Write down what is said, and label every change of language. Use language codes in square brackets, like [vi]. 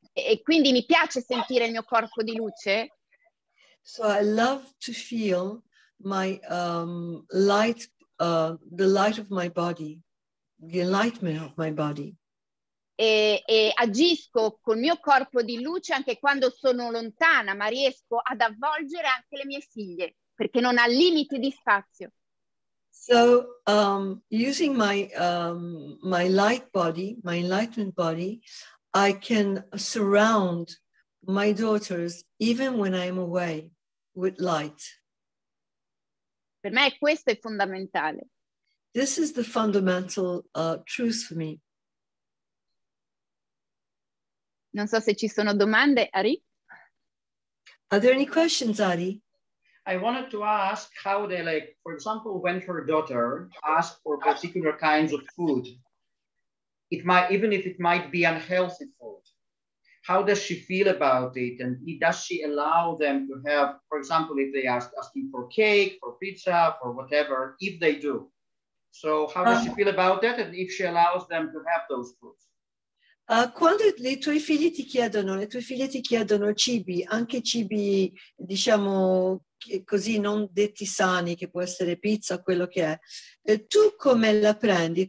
[it] e quindi mi piace sentire il mio corpo di luce. [en] So I love to feel my light, the light of my body, the enlightenment of my body. [it] E agisco col mio corpo di luce anche quando sono lontana, ma riesco ad avvolgere anche le mie figlie, perché non ha limiti di spazio. [en] So, using my my light body, my enlightenment body, I can surround my daughters even when I'm away with light. [it] Per me questo è fondamentale. [en] This is the fundamental truth for me. [it] Non so se ci sono domande, Ari. [en] Are there any questions, Ari? I wanted to ask how they, like, for example, when her daughter asked for particular kinds of food, it might, even if it might be unhealthy food, how does she feel about it? And does she allow them to have, for example, if they asking for cake, for pizza, for whatever, if they do. So how does she feel about that? And if she allows them to have those foods? [it] Quando le tue figlie ti chiedono, le tue figlie ti chiedono cibi, anche cibi, diciamo, così non detti sani, che può essere pizza, quello che è, tu come la prendi?